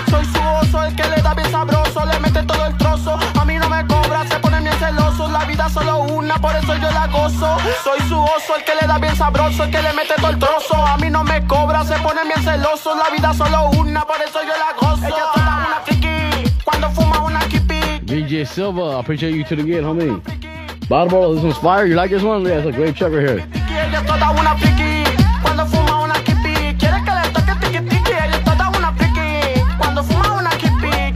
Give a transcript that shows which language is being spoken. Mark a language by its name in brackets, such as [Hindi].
[Spanish] Soy su oso, el que le da bien sabroso. Le mete todo el trozo. A mí no me cobra, se pone bien celoso. La vida solo una, por eso yo la gozo. Soy su oso, el que le da bien sabroso, el que le mete todo el trozo. A mí no me cobra, se pone bien celoso. La vida solo una, por eso yo la gozo. Ella toda una friki, cuando fuma una kipi. [English] DJ Silva, I appreciate you tuning in, homie. Barbaro, this one's fire. You like this one? Yeah, it's a great track right here. [Spanish] Ella toda una friki, cuando fuma una kipi. Quiere que le toque tiki tiki. Ella toda una friki, cuando fuma una kipi.